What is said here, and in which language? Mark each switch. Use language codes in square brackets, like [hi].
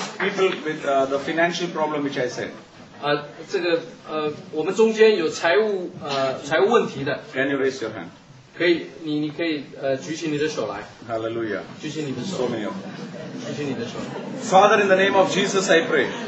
[en] People with the financial problem which I said. [zh] 我们中间有财务问题的。 [en] Can you raise your hand? [zh] 可以，你可以举起你的手来。 [en] Hallelujah. [zh] 举起你的手。 [en] So many. [zh] 举起你的手。 [en] Father, in the name of Jesus, I pray.